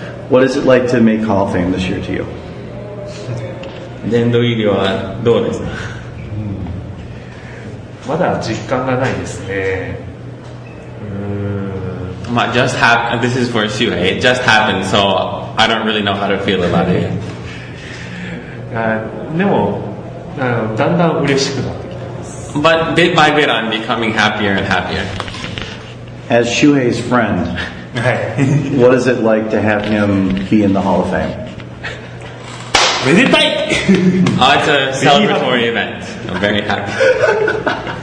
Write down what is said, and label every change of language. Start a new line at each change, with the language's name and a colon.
English: What is it like to make Hall of Fame this year to you?
Japanese: 殿堂入りはどうですか、うん、まだ実感がないですね。
English: うーん、まあ、just happened. This is for Shuhei. It just happened, so I don't really know how to feel about it.
Japanese: でも、だんだん嬉しくなってきてます。
English: But bit by bit, I'm becoming happier and happier. As Shuhei's friend, what is it like to have him be in the Hall of Fame? With it, bye! Oh, it's a celebratory event. I'm very happy.